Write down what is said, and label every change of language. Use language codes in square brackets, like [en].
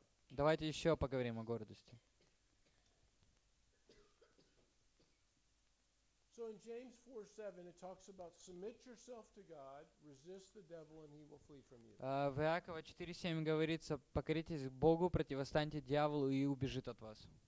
[ru] Давайте еще поговорим о гордости. [en] So in James 4:7 it talks about submit yourself to God, resist the devil and he will flee from you. [ru] В Иакова 4:7 говорится: покоритесь Богу, противостаньте дьяволу и убежит от вас.